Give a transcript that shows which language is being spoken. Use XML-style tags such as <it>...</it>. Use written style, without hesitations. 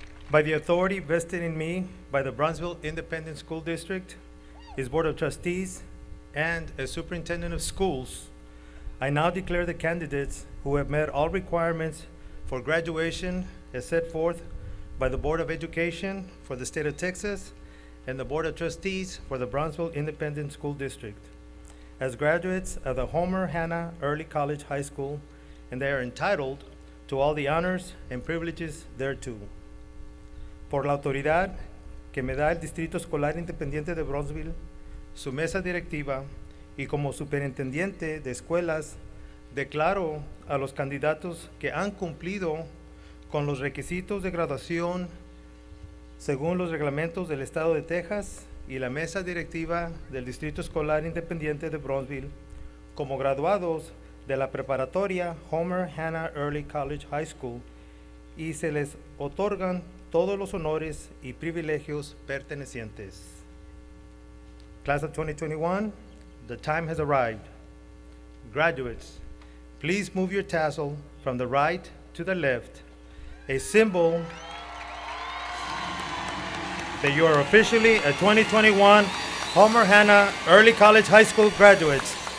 <en>By the authority vested in me by the Brownsville Independent School District, its Board of Trustees, and as Superintendent of Schools, I now declare the candidates who have met all requirements for graduation as set forth by the Board of Education for the State of Texas and the Board of Trustees for the Brownsville Independent School District as graduates of the Homer Hanna Early College High School, and they are entitled to all the honors and privileges thereto.</en> <es>Por la autoridad que me da el Distrito Escolar Independiente de Brownsville, su mesa directiva y como superintendente de escuelas, declaro a los candidatos que han cumplido con los requisitos de graduación según los reglamentos del Estado de Texas y la mesa directiva del Distrito Escolar Independiente de Brownsville como graduados de la preparatoria Homer Hanna Early College High School y se les otorgan todos los honores y privilegios pertenecientes.</es> <en>Class of 2021, the time has arrived. Graduates, please move your tassel from the right to the left, a symbol that you are officially a 2021 Homer Hanna Early College High School graduates.</en>